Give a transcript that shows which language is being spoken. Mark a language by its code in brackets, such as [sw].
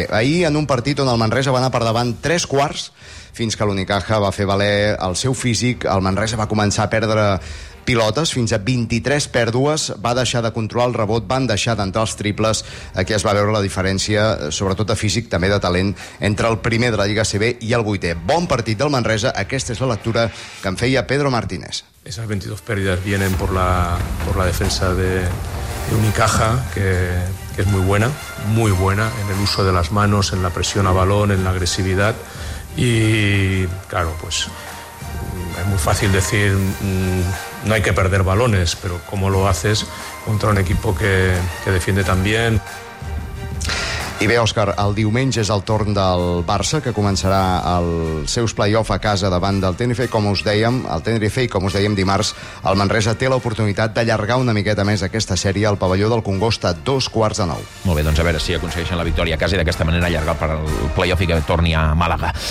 [ca] Ahir, en un partit on el Manresa va anar per davant 3/4, fins que l'Unicaja va fer valer el seu físic, el Manresa va començar a perdre pilotes, fins a 23 pèrdues, va deixar de controlar el rebot, van deixar d'entrar els triples. Aquí es va veure la diferència, sobretot de físic, també de talent, entre el primer de la Lliga CB i el vuitè. Bon partit del Manresa, aquesta és la lectura que en feia Pedro Martínez. [es] Esas 22 pèrdues vienen por la defensa de Unicaja, que es muy buena en el uso de las manos, en la presión a balón, en la agresividad, y claro, pues es muy fácil decir no hay que perder balones, pero ¿cómo lo haces contra un equipo que defiende tan bien? [ca] I bé, Òscar, el diumenge és el torn del Barça, que començarà els seus play-off a casa davant del Tenerife, com us dèiem, el Tenerife, i com us dèiem dimarts, el Manresa té l'oportunitat d'allargar una miqueta més aquesta sèrie al pavelló del Congost a 8:45. Molt bé, doncs a veure si aconsegueixen la victòria a casa i d'aquesta manera allargar per el play-off i que torni a Màlaga.